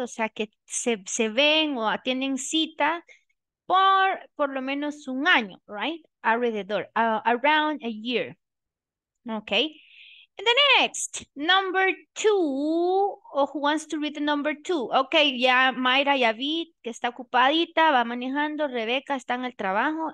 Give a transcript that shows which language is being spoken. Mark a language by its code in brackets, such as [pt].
[es] O sea, que se ven o tienen cita por lo menos un año, right? Alrededor, [en] around a year. Okay. And the next, number two, oh, who wants to read the number two? [es] Okay, ya Mayra, ya vi que está ocupadita, va manejando, Rebeca está en el trabajo.